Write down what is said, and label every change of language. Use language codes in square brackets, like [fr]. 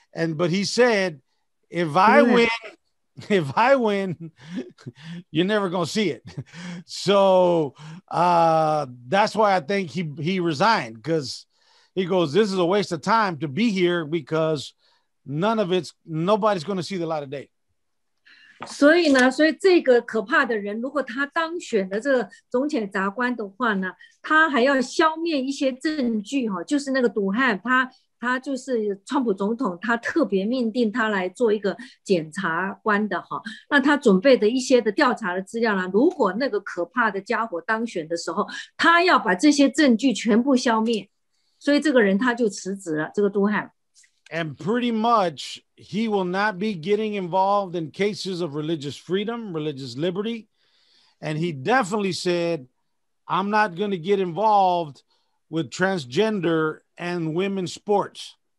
[en] But he said, If I win, you're never going to see it. So that's why I think he resigned, because he goes, this is a waste of time to be here because nobody's going to see the light of day. [zh] 所以呢，所以这个可怕的人，如果他当选的这个总检察官的话呢，他还要消灭一些证据，就是那个毒汉，他他就是川普总统，他特别命定他来做一个检察官的哈。那他准备的一些的调查的资料呢，如果那个可怕的家伙当选的时候，他要把这些证据全部消灭，所以这个人他就辞职了，这个杜汉。 [en] And pretty much he will not be getting involved in cases of religious freedom, religious liberty. And he definitely said, I'm not going to get involved with transgender and women's sports.